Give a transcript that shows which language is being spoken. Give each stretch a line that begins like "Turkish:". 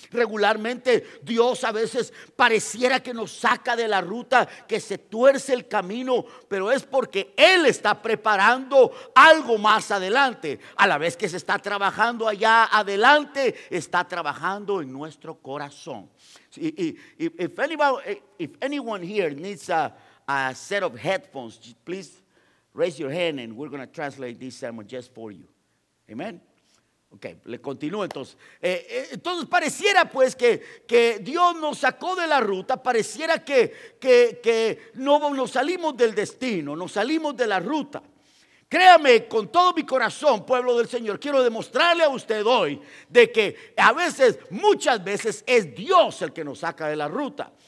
Spanish: Regularmente Dios a veces pareciera que nos saca de la ruta, que se tuerce el camino, pero es porque Él está preparando algo más adelante. A la vez que se está trabajando allá adelante, está trabajando en nuestro corazón.
English: If anyone here needs a set of headphones, please raise your hand and we're going to translate this sermon just for you.
Spanish: Amen. Ok, le continúo entonces. Entonces pareciera pues que Dios nos sacó de la ruta, pareciera que no nos salimos del destino, nos salimos de la ruta. Créame con todo mi corazón, pueblo del Señor, quiero demostrarle a usted hoy de que a veces, muchas veces es Dios el que nos saca de la ruta.